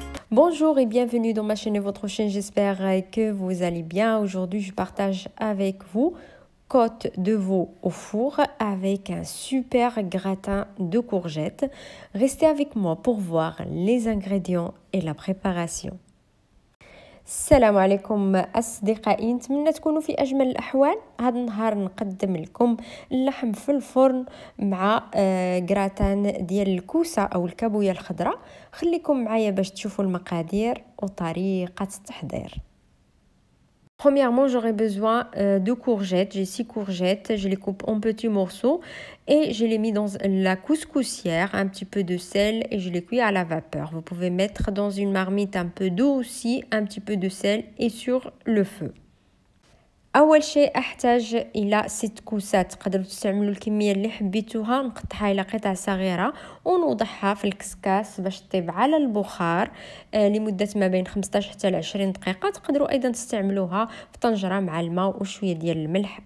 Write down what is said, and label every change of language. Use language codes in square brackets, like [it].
[fr] Bonjour et bienvenue dans ma chaîne et votre chaîne. J'espère que vous allez bien. Aujourd'hui, je partage avec vous côte de veau au four avec un super gratin de courgettes. Restez avec moi pour voir les ingrédients et la préparation. [ar] السلام عليكم أصدقائي، نتمنى تكونوا في أجمل الأحوال. هذا النهار نقدم لكم اللحم في الفرن مع غراتان ديال الكوسة أو الكابوية الخضراء. خليكم معايا باش تشوفوا المقادير وطريقة التحضير. [fr] Premièrement, j'aurai besoin de courgettes. J'ai 6 courgettes. Je les coupe en petits morceaux et je les mets dans la couscoussière, un petit peu de sel et je les cuis à la vapeur. Vous pouvez mettre dans une marmite un peu d'eau aussi, un petit peu de sel et sur le feu. [ar] أول شيء أحتاج إلى 6 كوسات. قدروا تستعملوا الكمية اللي حبيتوها. نقطعها إلى قطع صغيرة ونوضعها في الكسكاس باش تطيب على البخار لمدة ما بين 15 حتى 20 دقيقة. تقدروا أيضا تستعملوها في طنجرة مع الماء وشوية ديال الملح.